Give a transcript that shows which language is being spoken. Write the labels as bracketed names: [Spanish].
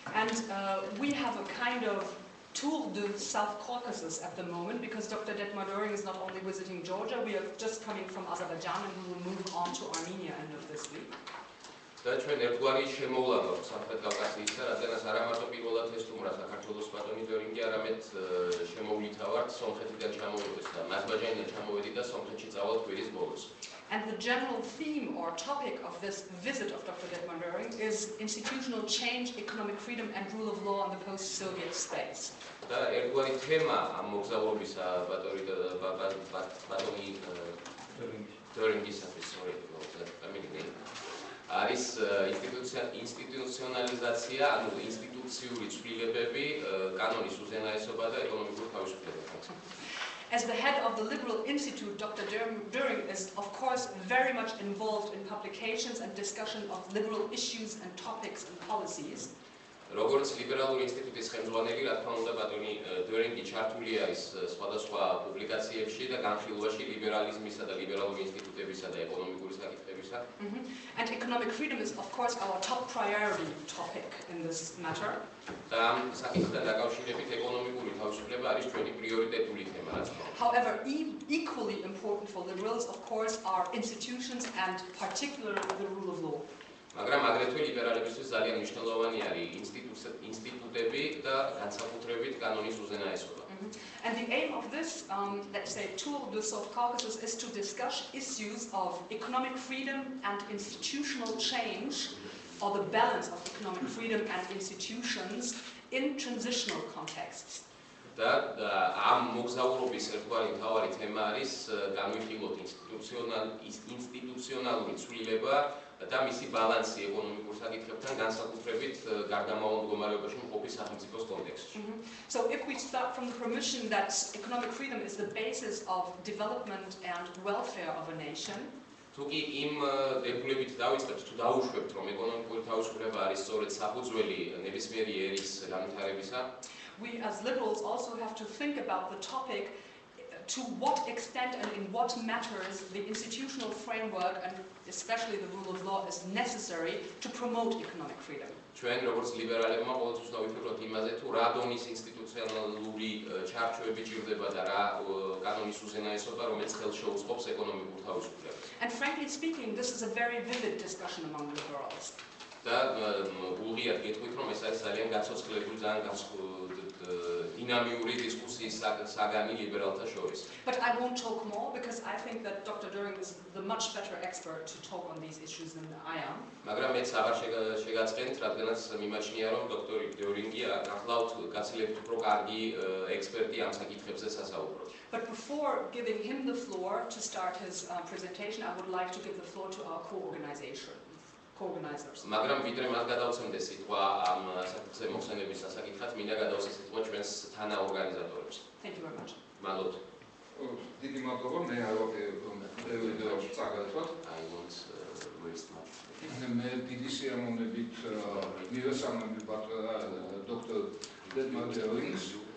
[English] And we have a kind of tour de South Caucasus at the moment because Dr. Detmar Doering is not only visiting Georgia, we are just coming from Azerbaijan and we will move on to Armenia end of this week. [Georgian] და ჩვენ ერთგვარი შემოვლანოთ სამხრეთ კავკასიისა, რადგანაც არა მარტო პირველად ესტუმრა საქართველოს ბატონი დორინგი, არამედ შემოვლითავართ სომხეთიდან ჩამოვიდეს და აზერბაიჯანიდან ჩამოვედი და სომხეთში წავალ კვირის ბოლოს. [English] And the general theme or topic of this visit of Dr. Detmar Doering is institutional change, economic freedom and rule of law in the post-Soviet space. [Georgian] და ერთგვარი თემა ამ მოგზაურობისა ბატონი არის ინსტიტუციონალიზაცია, ანუ ინსტიტუციური ცვლილებები, კანონის უზენაესობა და ეკონომიკური თავისუფლება. [English] As the head of the Liberal Institute, Dr. Doering is of course very much involved in publications and discussion of liberal issues and topics and policies. [Georgian] როგორც ლიბერალური ინსტიტუტის ხელმძღვანელი, რა თქმა უნდა, ბატონი დორინგი ჩართული არის სხვადასხვა პუბლიკაციებში და განხილვაში ლიბერალიზმისა და ლიბერალური ინსტიტუტებისა და ეკონომიკური საკითხებისა. [English] And economic freedom is of course our top priority topic in this matter. [Georgian] და საკითხთან დაკავშირებით ეკონომიკური თავისუფლება არის ჩვენი პრიორიტეტული თემა, რა თქმა უნდა. [English] However, equally important for liberals of course are institutions and particularly the rule of law. [Georgian] მაგრამ აგრეთვე ლიბერალებისთვის ძალიან მნიშვნელოვანი არის ინსტიტუტები და განსაკუთრებით კანონის უზენაესობა. [English] And the aim of this let's say tour de South Caucasus is to discuss issues of economic freedom and institutional change or the balance of economic freedom and institutions in transitional contexts. [Georgian] და ამ მოგზაურობის ერთგვარი მთავარი თემა არის განვიხილოთ ინსტიტუციონალური ცვლილება და მისი ბალანსი ეკონომიკურ საკითხებთან განსაკუთრებით გარდამავალ მდგომარეობაში მყოფი სახელმწიფოს კონტექსტში. [English] So if we start from the premise that economic freedom is the basis of development and welfare of a nation, [Georgian] თუ კი იმ დებულებით დავიწყებთ, თუ დაუშვებთ, რომ ეკონომიკური თავისუფლება არის სწორედ საფუძველი ნებისმიერი ერის განვითარებისა, [English] we as liberals also have to think about the topic to what extent and in what matters the institutional framework and especially the rule of law is necessary to promote economic freedom. [Georgian] ჩვენ როგორც ლიბერალებმა ყოველთვის დავიფიქროთ იმაზე თუ რა დონის ინსტიტუციონალური ჩარჩოები ჭირდება და რა კანონის უზენაესობა რომელიც ხელ შეუწყობს ეკონომიკურ თავისუფლებას. [English] And frankly speaking this is a very vivid discussion among liberals. [Georgian] და უღიათ გეტყვით რომ ეს არის ძალიან გაცოცხლებული ძალიან დინამიური დისკუსიის საგანი ლიბერალთა შორის. [English] But I won't talk more because I think that Dr. Doering is the much better expert to talk on these issues than I am. [Georgian] მაგრამ მეც აღარ შეგაცხენთ, რადგანაც მიმაჩნია რომ დოქტორი დორინგი ახლავთ გაცილებით უფრო კარგი ექსპერტი ამ საკითხებზე სასაუბროდ. [English] But before giving him the floor to start his presentation, I would like to give the floor to our co-organizer. [Georgian] მაგრამ ვიდრე მას გადავცემდე სიტყვა ამ საკითხზე მოხსენების ასაკითხად, მინდა გადავცე სიტყვა ჩვენს თანაორგანიზატორებს. [English] Thank you very much. [Georgian] მადლობთ. დიდი მადლობა, მე არ ვაპირებდი რომ წაგაცვათ. [English] I want to waste my time. [Georgian] მე დიდი შემოვნებით მიესალმები დოქტორ დეტმარ დორინგს.